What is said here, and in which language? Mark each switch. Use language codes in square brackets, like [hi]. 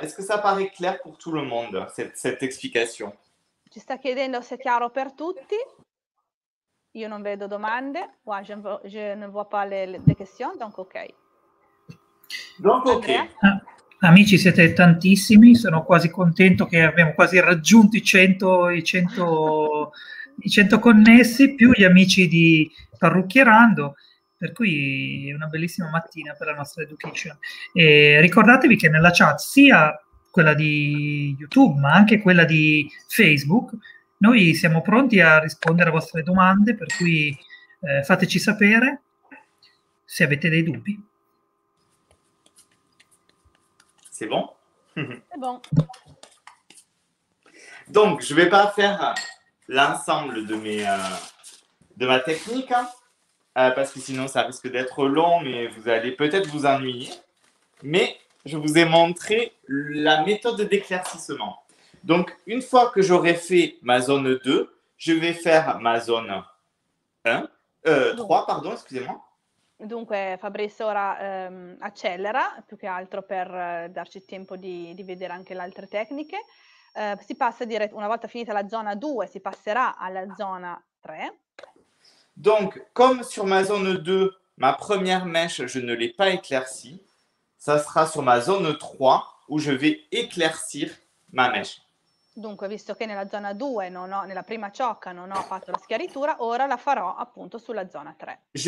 [fr] Est-ce que ça paraît clair pour tout le monde cette explication? [it] Ci sta chiedendo se è chiaro per tutti. Io non vedo domande. [fr] Moi, je ne vois pas les questions, donc ok. Donc ok. [it] Amici, siete tantissimi, sono quasi contento che abbiamo quasi raggiunto i cento connessi, più gli amici di Parrucchierando, per cui è una bellissima mattina per la nostra education. E ricordatevi che nella chat, sia quella di YouTube, ma anche quella di Facebook, noi siamo pronti a rispondere alle vostre domande, per cui fateci sapere se avete dei dubbi. [fr] C'est bon? C'est bon. Donc, je ne vais pas faire l'ensemble de ma technique, parce que sinon ça risque d'être long et vous allez peut-être vous ennuyer. Mais je vous ai montré la méthode d'éclaircissement. Donc, une fois que j'aurai fait ma zone 2, je vais faire ma zone 3, pardon, excusez-moi. [it] Dunque Fabrice ora accelera, più che altro per darci tempo di vedere anche le altre tecniche. Si passa diretto, una volta finita la zona 2, si passerà alla zona 3. [fr] Donc, comme sur ma zone 2, ma première mèche, je ne l'ai pas éclaircie, ça sera sur ma zone 3, où je vais éclaircir ma mèche. [it] Dunque, visto che nella zona 2 non ho, nella prima ciocca non ho fatto la schiaritura, ora la farò appunto sulla zona 3.